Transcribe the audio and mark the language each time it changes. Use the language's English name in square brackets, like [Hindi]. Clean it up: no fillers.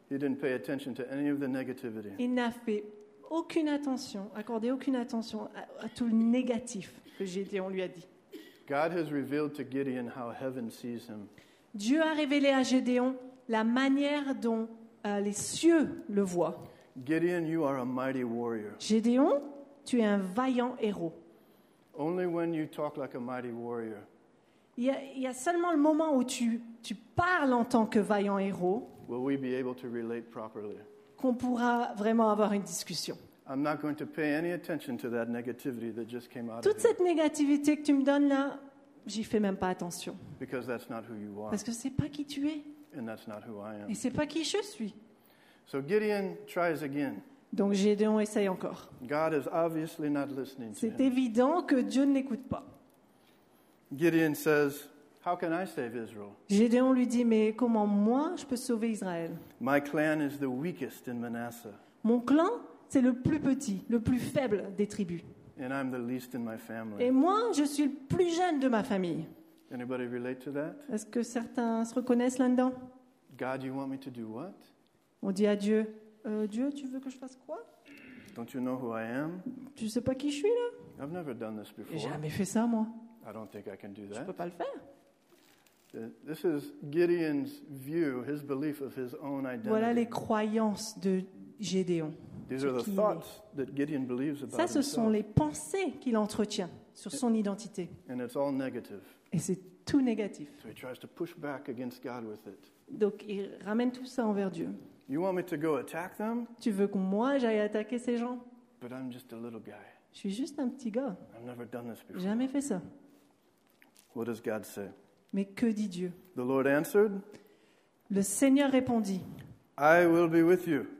[English] He didn't pay attention to any of the negativity. [French] Il n'a fait aucune attention, accordé aucune attention à tout le négatif que Gédéon lui a dit. [English] God has revealed to Gideon how heaven sees him. [French] Dieu a révélé à Gédéon la manière dont les cieux le voient. [English] Gideon, you are a mighty warrior. [French] Gédéon, tu es un vaillant héros. [English] Only when you talk like a mighty warrior. [French] Il y a seulement le moment où tu parles en tant que vaillant héros [English] will we be able to relate properly? [French] Qu'on pourra vraiment avoir une discussion. [English] I'm not going to pay any attention to that negativity that just came out. [French] Toute cette négativité que tu me donnes là, j'y fais même pas attention. [English] Because that's not who you are. [French] Parce que c'est pas qui tu es. [English] And that's not who I am. [French] Et c'est pas qui je suis. [English] So Gideon tries again. [French] Donc Gédéon essaye encore. [English] God is obviously not listening to him. [French] C'est évident que Dieu ne l'écoute pas. [English] Gideon says, "How can I save Israel?" [French] Gédéon lui dit, mais comment moi je peux sauver Israël? [English] My clan is the weakest in Manasseh. [French] Mon clan, c'est le plus petit, le plus faible des tribus. [English] And I'm the least in my family. [French] Et moi, je suis le plus jeune de ma famille. [English] Anybody relate to that? [French] Est-ce que certains se reconnaissent là-dedans? [English] God, you want me to do what? [French] On dit à Dieu, Dieu, tu veux que je fasse quoi? [English] Don't you know who I am? [French] Tu sais pas qui je suis là? [English] I've never done this before. [French] J'ai jamais fait ça moi. [English] I don't think I can do that. [French] Je peux pas le faire. [English] This is Gideon's view, his belief of his own identity. [French] Voilà les croyances de Gédéon. [English] These are the thoughts that Gideon believes about himself. [French] Ça, ce sont les pensées qu'il entretient sur son identité. [English] And it's all negative. [French] Et c'est tout négatif. [English] So he tries to push back against God with it. [French] Donc il ramène tout ça envers Dieu. [English] You want me to go attack them? [French] Tu veux que moi j'aille attaquer ces gens? [English] But I'm just a little guy. [French] Je suis juste un petit gars. [English] I've never done this before. [French] Jamais fait ça. [English] What does God say? [French] Mais que dit Dieu? [English] The Lord answered, [French] le Seigneur répondit. [English] I will be with you.